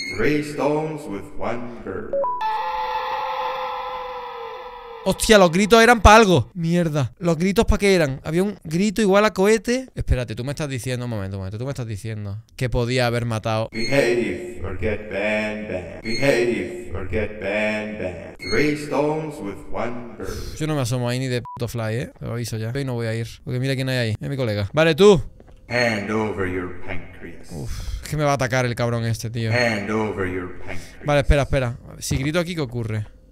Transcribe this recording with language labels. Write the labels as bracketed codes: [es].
[en] Three stones with one bird. [es] ¡Hostia! Los gritos eran para algo. ¡Mierda! ¿Los gritos para qué eran? Había un grito igual a cohete. Espérate, tú me estás diciendo... un momento, tú me estás diciendo que podía haber matado... [en] Behave or get bang bang. Behave or get bang bang. Three stones with one bird. [es] Yo no me asomo ahí ni de puto fly, ¿eh? Te lo aviso ya. Hoy no voy a ir. Porque mira quién hay ahí. Es mi colega. Vale, tú. [en] Hand over your pancreas. [es] Uf, es que me va a atacar el cabrón este, tío. [en] Hand over your pancreas. [es] Vale, espera, espera. Si grito aquí, ¿qué ocurre?